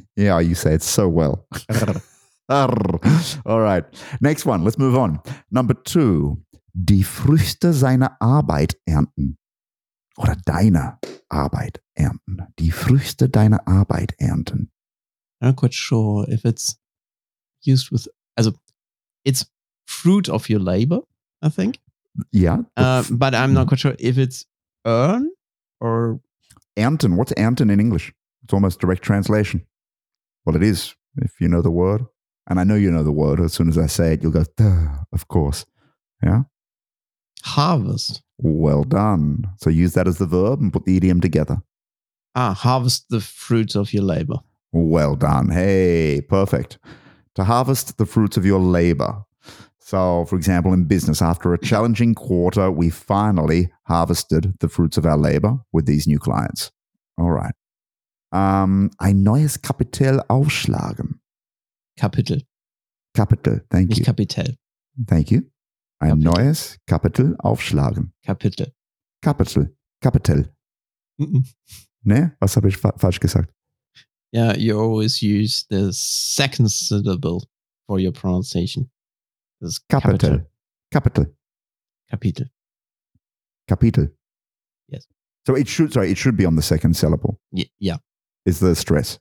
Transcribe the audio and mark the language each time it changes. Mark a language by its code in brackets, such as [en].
[en] Yeah, you say it so well. All right. Next one. Let's move on. Number two, [de] die Früchte seiner Arbeit ernten. Oder deiner Arbeit ernten. Die Früchte deiner Arbeit ernten. [en] I'm not quite sure if it's used with, also, it's fruit of your labor, I think. Yeah. But I'm not quite sure if it's earn or... [de] Ernten. [en] What's ernten in English? It's almost direct translation. Well, it is, if you know the word. And I know you know the word. As soon as I say it, you'll go, duh, of course. Yeah? Harvest. Well done. So use that as the verb and put the idiom together. Ah, harvest the fruits of your labor. Well done. Hey, perfect. To harvest the fruits of your labor. So, for example, in business, after a challenging quarter, we finally harvested the fruits of our labor with these new clients. All right. [de] Ein neues Kapitel aufschlagen. Kapitel. [en] Kapitel. Thank you. [de] Nicht Kapitel. [en] Thank you. [de] Ein Kapitel. Neues Kapitel aufschlagen. Kapitel. Kapitel. Kapitel. Mm-mm. Ne? Was habe ich falsch gesagt? [en] Yeah, you always use the second syllable for your pronunciation. Capital. Capital. Capital. Capital. Capital. Yes. So it should, sorry, it should be on the second syllable. Yeah. Is the stress.